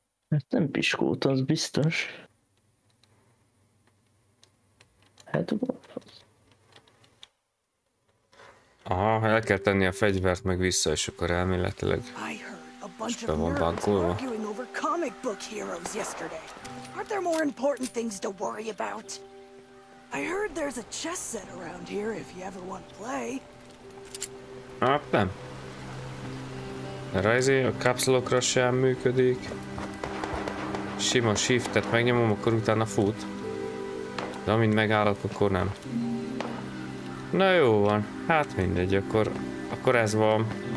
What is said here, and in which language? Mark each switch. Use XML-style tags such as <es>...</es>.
<hu>Hát nem piskóta, az biztos. Hát a bolfasz. Aha, el kell tenni a fegyvert meg vissza, és akkor elméletileg... És be van bankolva.</hu> <en>Comic book heroes yesterday. Aren't there more important things to worry about? I heard there's a chess set around here if you ever want to play.</en> <hu>Hát nem. Rajzé, a kapszulokra sem működik. Sima shiftet megnyomom, akkor utána fut. De amint megállok, akkor nem. Na jó van. Hát mindegy, akkor ez van.</hu>